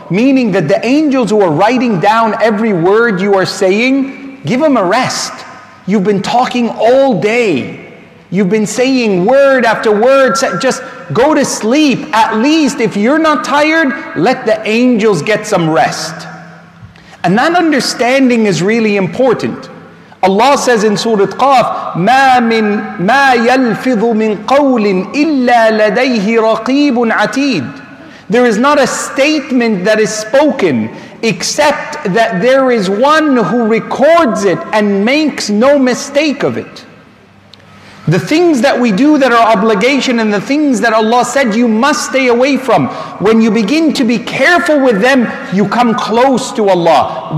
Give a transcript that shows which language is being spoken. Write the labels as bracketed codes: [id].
[en] Meaning that the angels who are writing down every word you are saying, give them a rest. You've been talking all day. You've been saying word after word. Just go to sleep. At least if you're not tired, let the angels get some rest. And that understanding is really important. Allah says in Surah Qaf, [ar] مَا يَلْفِظُ مِنْ قَوْلٍ إِلَّا لَدَيْهِ رَقِيبٌ عَتِيدٌ. [en] There is not a statement that is spoken except that there is one who records it and makes no mistake of it. The things that we do that are obligation and the things that Allah said you must stay away from, when you begin to be careful with them, you come close to Allah.